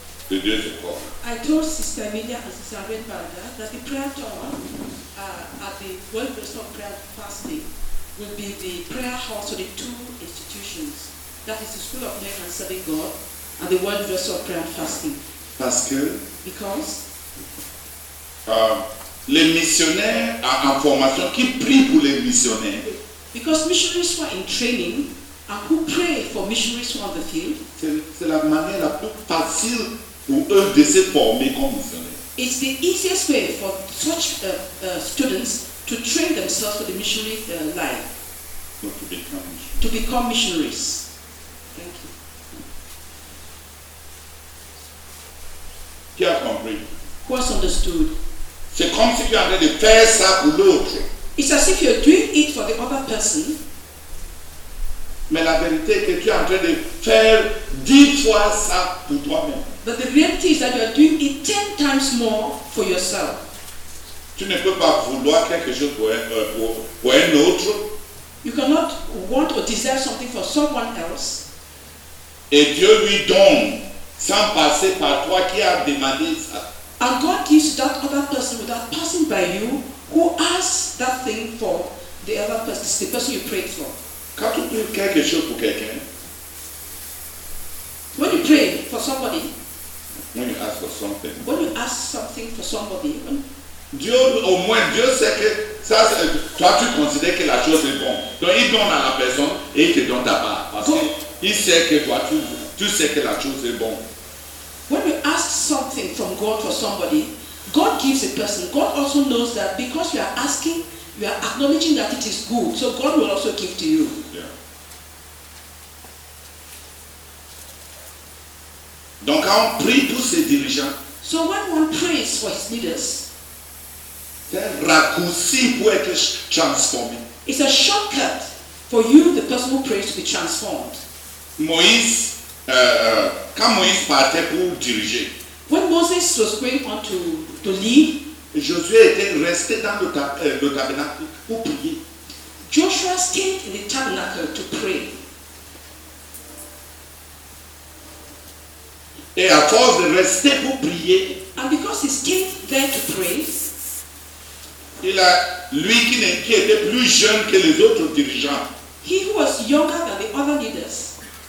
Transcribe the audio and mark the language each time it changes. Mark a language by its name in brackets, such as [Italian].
[English] I told Sister Amelia and Sister Red Barga that the prayer tower at the World Restore Prayer Fasting will be the prayer house of the two institutions. That is the School of Men and Serving God and the World Restore Prayer Fasting. [French] Parce que [English] because [French] les missionnaires en formation qui prient pour les missionnaires. [English] Because missionaries who are in training and who pray for missionaries who are on the field. [French] C'est la manière la plus facile pour eux de se former comme missionnaires. [English] It's the easiest way for such students to train themselves for the missionary life. Or to become missionaries. To become missionaries. Thank you. [French] Qui a compris? [English] Who has understood? [French] C'est comme si tu en train de faire ça pour l'autre. [English] It's as if you're doing it for the other person. [French] Mais la vérité est que tu es en train de faire 10 fois ça pour toi-même. [English] But the reality is that you are doing it 10 times more for yourself. [French] Tu ne peux pas vouloir quelque chose pour un autre. [English] You cannot want or desire something for someone else. [French] Et Dieu lui donne sans passer par toi qui a demandé ça. [English] And God gives that other person without passing by you who asks that thing for the other person, the person you prayed for. [French] Quand tu prie quelque chose pour quelqu'un, [English] when you pray for somebody, when you ask for something, when you ask something for somebody, when, [French] Dieu au moins Dieu sait que ça, toi tu considères que la chose est bonne. Donc il donne à la personne et il te donne ta part parce qu'il sait que toi tu sais que la chose est bonne. [English] When you ask something from God for somebody, God gives a person. God also knows that because you are asking. You are acknowledging that it is good, so God will also give to you. Yeah. [French] Donc, quand on prie pour ses dirigeants, [English] so when one prays for his leaders, [French] c'est raccourci pour être transformé. [English] It's a shortcut for you, the person who prays, to be transformed. [French] Moïse, quand Moïse partait pour diriger, [English] when Moses was going on to leave, [French] Josué était resté dans le tabernacle pour prier. [English] Joshua stayed in the tabernacle to pray. [French] Et à force de rester pour prier, [English] and because he stayed there to pray, [French] il a lui qui était plus jeune que les autres dirigeants. [English] He who was younger than the other leaders.